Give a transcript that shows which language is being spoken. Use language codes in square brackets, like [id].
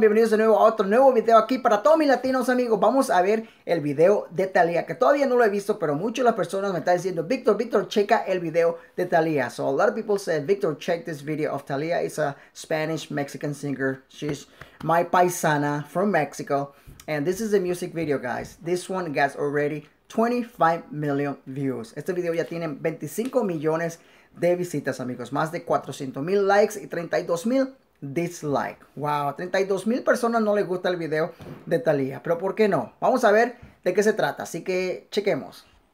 [es] Bienvenidos de nuevo a otro nuevo video aquí para todos mis latinos amigos. Vamos a ver el video de Thalía, que todavía no lo he visto, pero muchas de las personas me están diciendo, Victor, checa el video de Thalía. [en] So a lot of people said, Victor, check this video of Thalía. It's a Spanish Mexican singer. She's my paisana from Mexico. And this is the music video, guys. This one gets already 25 million views. [es] Este video ya tiene 25 millones de visitas, amigos. Más de 400 mil likes y 32 mil dislike. Wow, 32 mil personas no les gusta el video de Thalía, pero ¿por qué no? Vamos a ver de qué se trata, así que chequemos.